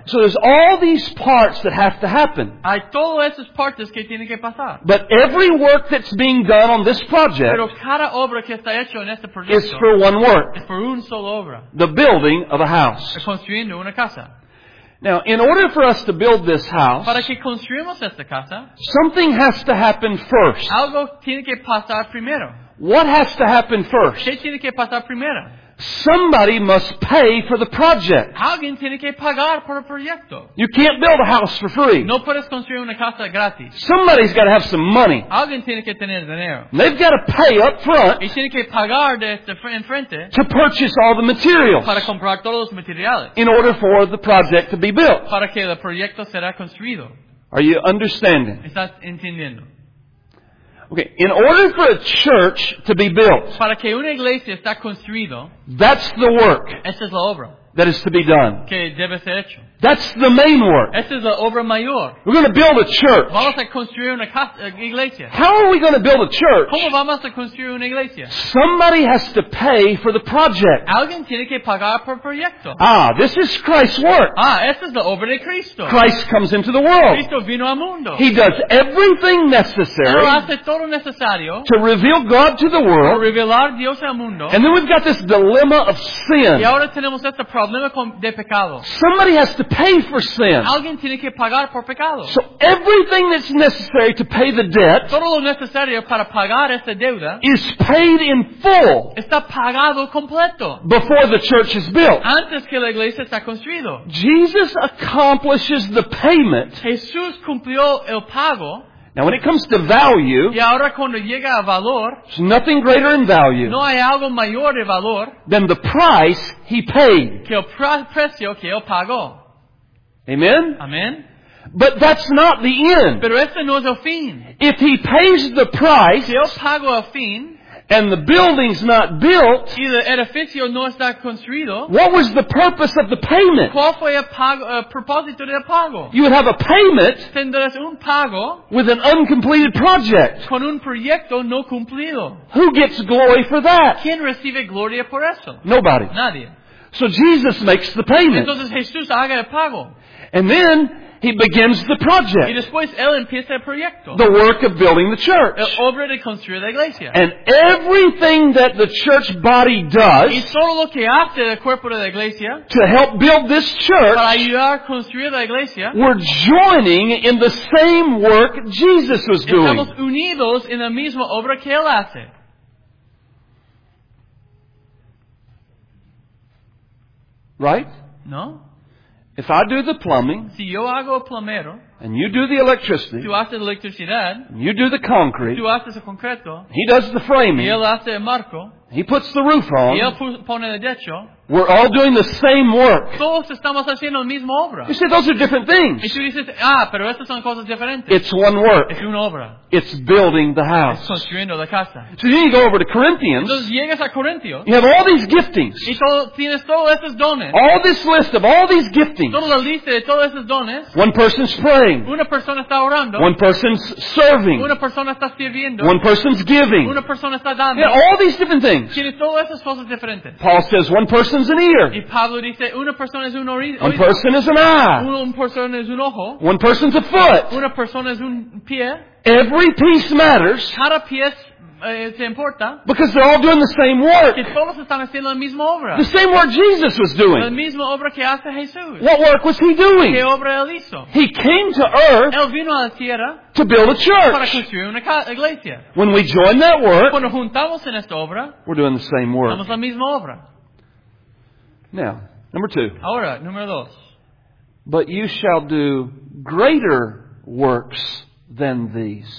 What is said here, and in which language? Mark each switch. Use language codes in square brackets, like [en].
[en] So there's all these parts that have to happen. [es] Hay todas esas partes que tienen que pasar. [en] But every work that's being done on this project, [es] pero cada obra que está hecho en este proyecto, [en] is for one work. [es] Es por una sola obra. [en] The building of a house. [es] Construyendo una casa. [en] Now, in order for us to build this house, [es] para que construyamos esta casa, [en] something has to happen first. [es] Algo tiene que pasar primero. [en] What has to happen first? [es] ¿Qué tiene que pasar primero? [en] Somebody must pay for the project. [es] Alguien tiene que pagar por el proyecto. [en] You can't build a house for free. [es] No puedes construir una casa gratis. [en] Somebody's got to have some money. [es] Alguien tiene que tener dinero. [en] They've got to pay up front. [es] Y tiene que pagar en frente [en] to purchase all the materials. [es] Para comprar todos los materiales. [en] In order for the project to be built. [es] Para que el proyecto sea construido. [en] Are you understanding? [es] ¿Estás entendiendo? [en] Okay, in order for a church to be built, [es] para que una iglesia está construido, [en] that's the work. [es] Esa es la obra. [en] That is to be done. [es] Que debe ser hecho. [en] That's the main work. [es] Esa es la obra mayor. [en] We're going to build a church. [es] Vamos a construir una casa, iglesia. [en] How are we going to build a church? [es] ¿Cómo vamos a construir una iglesia? [en] Somebody has to pay for the project. [es] Alguien tiene que pagar por proyecto. [en] Ah, this is Christ's work. [es] Ah, esa es la obra de Cristo. [en] Christ comes into the world. [es] Cristo vino al mundo. [en] He does everything necessary. [es] Él hace todo necesario [en] to reveal God to the world. [es] Para revelar Dios al mundo. [en] And then we've got this dilemma of sin. [es] Y ahora tenemos este problema de pecado. [en] Somebody has to pay for sin. [es] Alguien tiene que pagar por pecado. [en] So everything that's necessary to pay the debt, [es] todo lo necesario para pagar esta deuda, [en] is paid in full. [es] Está pagado completo. [en] Before the church is built. [es] Antes que la iglesia está construido. [en] Jesus accomplishes the payment. [es] Jesús cumplió el pago. [en] Now when it comes to value, [es] y ahora cuando llega a valor, [en] there's nothing greater in value, [es] no hay algo mayor de valor, [en] than the price he paid. [es] Que el precio que él pagó. [en] Amen? [es] Amen. [en] But that's not the end. [es] Pero ese no es el fin. [en] If he pays the price, [es] si él pagó el fin, [en] and the building's not built, [es] y el edificio no está construido, [en] what was the purpose of the payment? [es] ¿Cuál fue el pago, el propósito del pago? [en] You would have a payment, [es] tendrás un pago, [en] with an uncompleted project. [es] Con un proyecto no cumplido. [en] Who gets glory for that? [es] ¿Quién recibe gloria por eso? [en] Nobody. [es] Nadie. [en] So Jesus makes the payment. [es] Entonces Jesús haga el pago. [en] And then he begins the project. [es] Y después él empieza el proyecto. [en] The work of building the church. [es] El obra de construir la iglesia. [en] And everything that the church body does, [es] y todo lo que hace el cuerpo de la iglesia, [en] to help build this church, [es] para ayudar a construir la iglesia, [en] we're joining in the same work Jesus was doing. [es] Estamos unidos en la misma obra que él hace. [en] Right? [es] No. [en] If I do the plumbing, [es] si yo hago el plomero, [en] and you do the electricity, [es] tú haces la electricidad, [en] and you do the concrete, [es] tú haces el concreto, [en] he does the framing, [es] y él hace el marco, [en] he puts the roof on, [es] y él pone el techo, [en] we're all doing the same work. [es] Todos estamos haciendo la misma obra. [en] You say, those are different things. [es] Y tú dices, ah, pero estas son cosas diferentes. [en] It's one work. [es] Es una obra. [en] It's building the house. [es] Es construyendo la casa. [en] So then you go over to Corinthians. [es] Entonces llegas a Corintios. [en] You have all these giftings. [es] Y tienes todos estos dones. [en] All this list of all these giftings. [es] Toda la lista de todos estos dones. [en] One person's praying. [es] Una persona está orando. [en] One person's serving. [es] Una persona está sirviendo. [en] One person's giving. [es] Una persona está dando. [en] You have all these different things. [es] Tienes todas estas cosas diferentes. [en] Paul says, one person's an ear. [es] Y Pablo dice, una persona es un oído. [en] One person is an eye. [es] Una persona es un ojo. [en] One person's a foot. [es] Una persona es un pie. [en] Every piece matters. [es] Cada pieza importa. [en] Because they're all doing the same work. [es] Que todos están haciendo la misma obra. [en] The same work Jesus was doing. [es] La misma obra que hace Jesús. [en] What work was he doing? [es] ¿Qué obra él hizo? [en] He came to earth. [es] Él vino a la tierra. [en] To build a church. [es] Para construir una iglesia. [en] When we join that work. [es] Cuando juntamos en esta obra. [en] We're doing the same work. [es] Estamos la misma obra. [en] Now, number two. [es] Ahora, número dos. [en] But you shall do greater works than these.